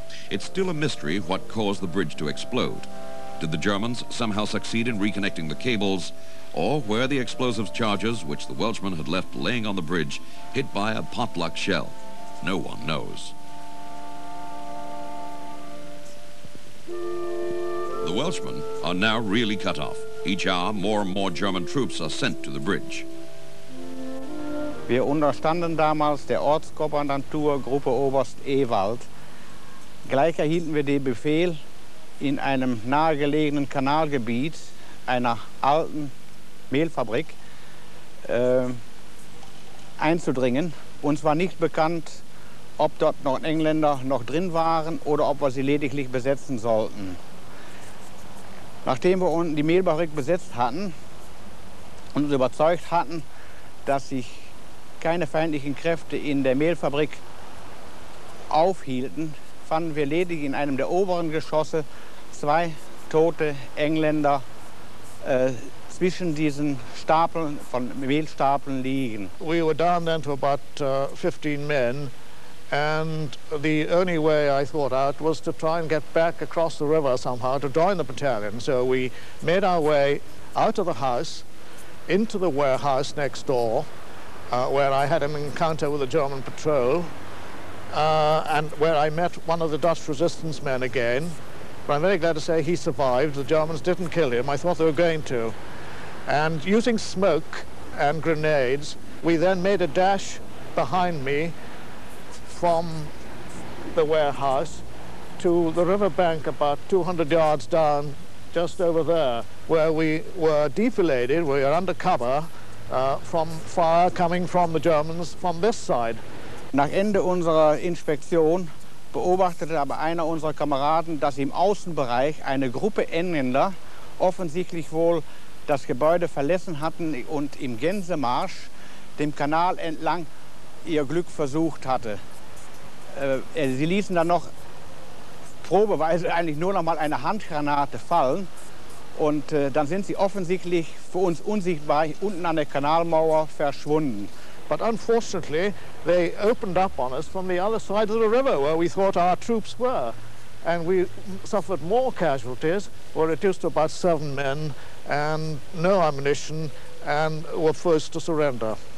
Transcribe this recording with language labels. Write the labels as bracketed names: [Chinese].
[English] It's still a mystery what caused the bridge to explode. Did the Germans somehow succeed in reconnecting the cables, or were the explosive charges, which the Welshmen had left laying on the bridge, hit by a potluck shell? No one knows. The Welshmen are now really cut off. Each hour, more and more German troops are sent to the bridge. [German] Wir unterstanden damals der Ortskommandantur Gruppe Oberst Ewald. Gleich erhielten wir den Befehl, in einem nahegelegenen Kanalgebiet einer alten Mehlfabrik einzudringen. Uns war nicht bekannt, ob dort noch Engländer noch drin waren oder ob wir sie lediglich besetzen sollten. Nachdem wir unten die Mehlbarrik besetzt hatten und uns überzeugt hatten, dass sich keine feindlichen Kräfte in der Mehlfabrik aufhielten, fanden wir lediglich in einem der oberen Geschosse zwei tote Engländer zwischen diesen Stapeln von Mehlstapeln liegen. [English] We were down then to about 15 men, and the only way I thought out was to try and get back across the river somehow to join the battalion. So we made our way out of the house into the warehouse next door, where I had an encounter with a German patrol, and where I met one of the Dutch resistance men again. But I'm very glad to say he survived. The Germans didn't kill him. I thought they were going to. And using smoke and grenades, we then made a dash behind me from the warehouse to the riverbank about 200 yards down, just over there, where we were defiladed. We were undercover from fire coming from the Germans from this side. [German] Nach Ende unserer Inspektion beobachtete aber einer unserer Kameraden, dass im Außenbereich eine Gruppe Engländer offensichtlich wohl das Gebäude verlassen hatten und im Gänsemarsch dem Kanal entlang ihr Glück versucht hatte. Sie ließen dann noch probeweise eigentlich nur noch mal eine Handgranate fallen und dann sind sie offensichtlich für uns unsichtbar unten an der Kanalmauer verschwunden. [English] But unfortunately, they opened up on us from the other side of the river where we thought our troops were. And we suffered more casualties, were reduced to about 7 men and no ammunition, and were forced to surrender.